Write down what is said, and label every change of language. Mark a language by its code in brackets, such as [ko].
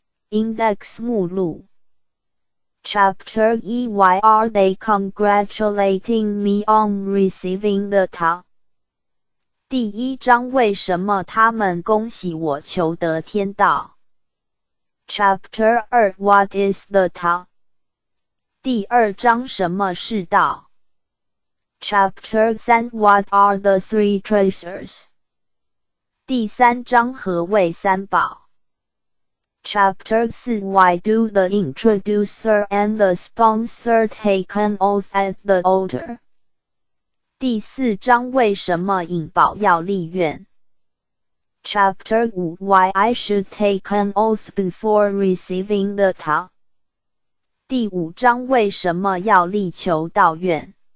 [en] Index 目录 Chapter 1 Why are they congratulating me on receiving the Tao? [zh] 第一章，为什么他们恭喜我求得天道。 [en] Chapter 2 What is the Tao? [zh] 第二章，什么是道。 [en] Chapter 3 What are the three treasures? [zh] 第三章，何谓三宝。 [en] Chapter 4 Why do the introducer and the sponsor take an oath at the altar? [zh] 第四章，为什么引宝要立愿。 [en] Chapter 5 Why I should take an oath before receiving the Tao. [zh] 第五章，为什么要力求道愿。